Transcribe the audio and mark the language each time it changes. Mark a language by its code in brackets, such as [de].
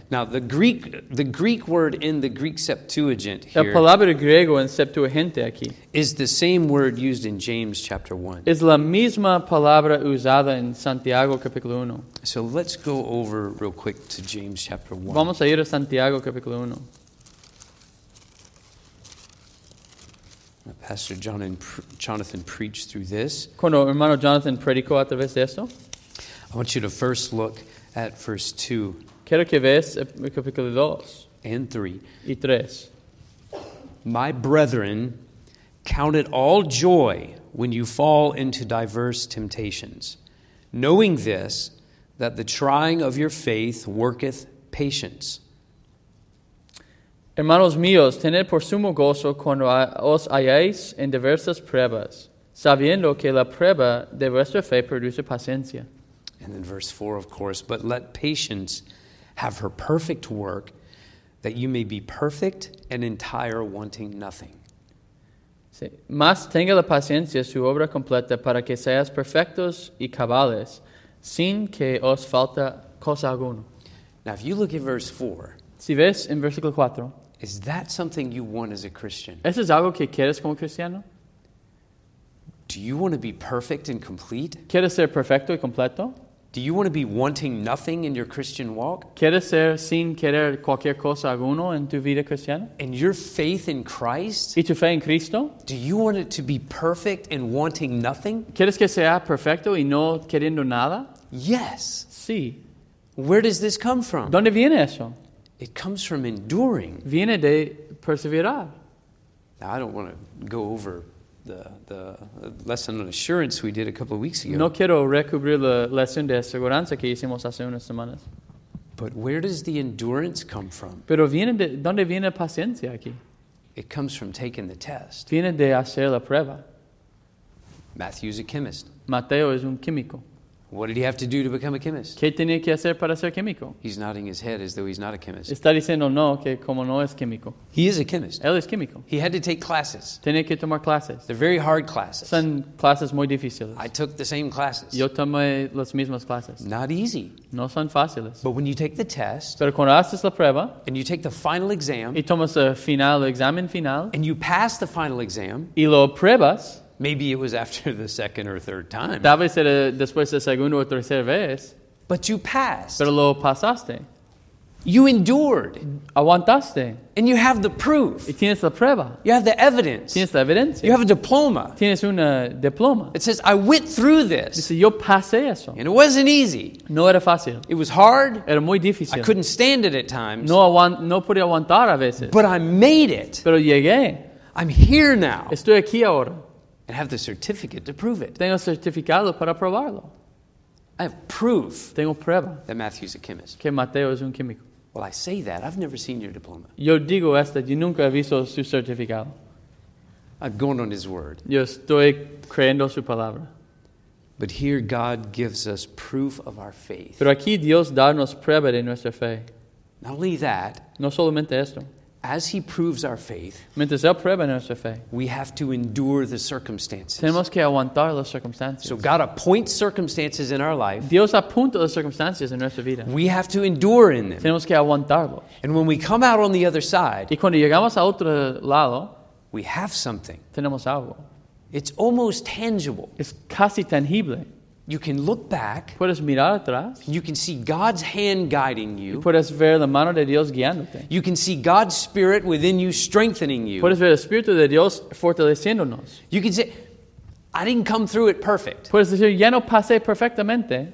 [en] Now, the Greek word in the Greek Septuagint here. [es] La palabra griego en Septuaginta aquí. [en] Is the same word used in James chapter 1. [es] Es la misma palabra usada en Santiago capítulo 1. [en] So let's go over real quick to James chapter 1. [es] Vamos a ir a Santiago capítulo 1. [en] Pastor John and Jonathan preached through this. [es] Cuando hermano Jonathan predicó a través de esto. [en] I want you to first look at verse 2. [es] Quiero que veas el capítulo 2. [en] And 3. [es] Y 3. [en] My brethren, count it all joy when you fall into diverse temptations, knowing this, that the trying of your faith worketh patience. [es] Hermanos míos, tened por sumo gozo cuando os halláis en diversas pruebas, sabiendo que la prueba de vuestra fe produce paciencia. [en] And then verse 4, of course, but let patience have her perfect work, that you may be perfect and entire, wanting nothing. [es] Sí. Mas tenga la paciencia su obra completa para que seáis perfectos y cabales, sin que os falte cosa alguna. [en] Now, if you look at verse 4, [es] si ves en versículo 4, [en] is that something you want as a Christian? [es] ¿Eso es algo que quieres como cristiano? [en] Do you want to be perfect and complete? [es] ¿Quieres ser perfecto y completo? [en] Do you want to be wanting nothing in your Christian walk? [es] ¿Quieres ser sin querer cualquier cosa alguno en tu vida cristiana? [en] And your faith in Christ? [es] ¿Y tu fe en Cristo? [en] Do you want it to be perfect and wanting nothing? [es] ¿Quieres que sea perfecto y no queriendo nada? [en] Yes. [es] Sí. [en] Where does this come from? [es] ¿Dónde viene eso? [en] It comes from enduring. [es] Viene de perseverar. [en] Now, I don't want to go over the lesson on assurance we did a couple of weeks ago. [es] No quiero recubrir la lesión de aseguranza que hicimos hace unas semanas. [en] But where does the endurance come from? [es] Pero viene de, ¿dónde viene paciencia aquí? [en] It comes from taking the test. [es] Viene de hacer la prueba. [en] Matthew's a chemist. [es] Mateo es un químico. [en] What did he have to do to become a chemist? [es] ¿Qué tenía que hacer para ser químico? [en] He's nodding his head as though he's not a chemist. [es] Está diciendo no, que como no es químico. [en] He is a chemist. [es] Él es químico. [en] He had to take classes. [es] Tenía que tomar clases. [en] They're very hard classes. [es] Son clases muy difíciles. [en] I took the same classes. [es] Yo tomé las mismas clases. [en] Not easy. [es] No son fáciles. [en] But when you take the test, [es] pero cuando haces la prueba, [en] and you take the final exam, [es] y tomas el final, el examen final, [en] and you pass the final exam, [es] y lo apruebas, [en] maybe it was after the second or third time. [es] Tal vez era después de segundo o tercera vez. [en] But you passed. [es] Pero lo pasaste. [en] You endured. [es] Aguantaste. [en] And you have the proof. [es] Y tienes la prueba. [en] You have the evidence. [es] Tienes la evidencia. [en] You have a diploma. [es] Tienes una diploma. [en] It says, I went through this. [es] Dice, yo pasé eso. [en] And it wasn't easy. [es] No era fácil. [en] It was hard. [es] Era muy difícil. [en] I couldn't stand it at times. [es] No podía aguantar a veces. [en] But I made it. [es] Pero llegué. [en] I'm here now. [es] Estoy aquí ahora. [en] And have the certificate to prove it. [es] Tengo certificado para probarlo. [en] I have proof. [es] Tengo prueba. [en] That Matthew's a chemist. [es] Que Mateo es un químico. [en] Well, I say that. I've never seen your diploma. [es] Yo digo esto. Yo nunca he visto su certificado. [en] I've gone on his word. [es] Yo estoy creyendo su palabra. [en] But here God gives us proof of our faith. [es] Pero aquí Dios darnos prueba de nuestra fe. [en] Not only that. [es] No solamente esto. [en] As he proves our faith, [es] mientras él prueba nuestra fe, [en] we have to endure the circumstances. [es] Tenemos que aguantar las circunstancias. [en] So God appoints circumstances in our life. [es] Dios apunta las circunstancias en nuestra vida. [en] We have to endure in them. [es] Tenemos que aguantarlo. [en] And when we come out on the other side, [es] y cuando llegamos a otro lado, [en] we have something. [es] Tenemos algo. [en] It's almost tangible. [es] Es casi tangible. [en] You can look back. [es] Puedes mirar atrás. [en] You can see God's hand guiding you. [es] Puedes ver la mano de Dios guiándote. [en] You can see God's Spirit within you strengthening you. [es] Puedes ver el Espíritu de Dios fortaleciéndonos. [en] You can say, I didn't come through it perfect. [es] Puedes decir, ya no pasé perfectamente.